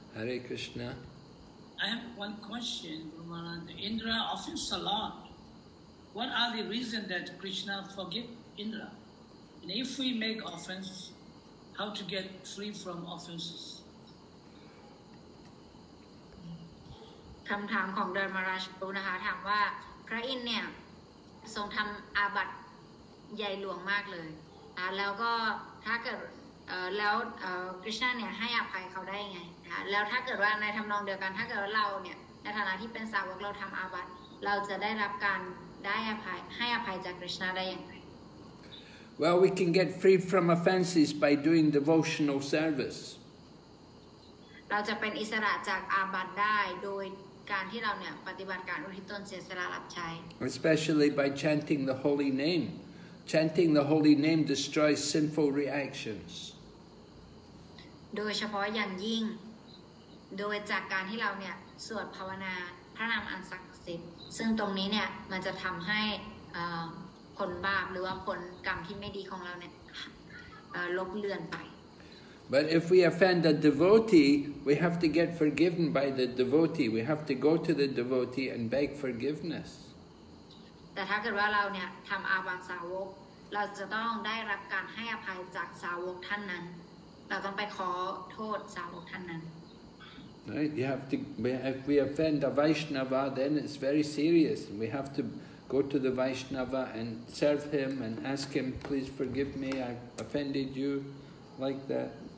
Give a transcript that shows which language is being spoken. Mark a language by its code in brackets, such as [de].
[en] Hare Krishna. I have one question, Guru Maharaj. Indra offends a lot. What are the reasons that Krishna forgive Indra? And if we make offense, how to get free from offenses? [th] คำถามของ Dharmaraj ปุณหาถามว่าพระอินเนี่ยทรงทำอาบัติใหญ่หลวงมากเลยแล้วก็ถ้าเกิดแล้วคริชนาเนี่ยให้อภัยเขาได้ไงแล้วถ้าเกิดว่าในทำนองเดียวกันถ้าเกิดว่าเราเนี่ยในฐานะที่เป็นสาวกเราทำอาบัติเราจะได้รับการได้อภัยให้อภัยจากคริชนาได้อย่างไร [en] Well we can get free from offenses by doing devotional service [th] เราจะเป็นอิสระจากอาบัติได้โดยการที่เราเนี่ยปฏิบัติการอุทิศตนเสียสละรับใช้ [en] Especially by chanting the holy name chanting the holy name destroys sinful reactions [th] โดยเฉพาะอย่างยิ่งโดยจากการที่เราเนี่ยสวดภาวนาพระนามอันศักดิ์สิทธิ์ซึ่งตรงนี้เนี่ยมันจะทำให้ผลบาปหรือว่าผลกรรมที่ไม่ดีของเราเนี่ยลบเลือนไป [en] But if we offend a devotee we have to get forgiven by the devotee we have to go to the devotee and beg forgiveness [th] แต่ถ้าเกิดว่าเราเนี่ยทำอาบัติสาวกเราจะต้องได้รับการให้อภัยจากสาวกท่านนั้นเราต้องไปขอโทษสาวกท่านนั้น [en] Right? You have to, if we offend a Vaishnava, then it's very serious. We have to go to the Vaishnava and serve him and ask him, please forgive me, I offended you, like that.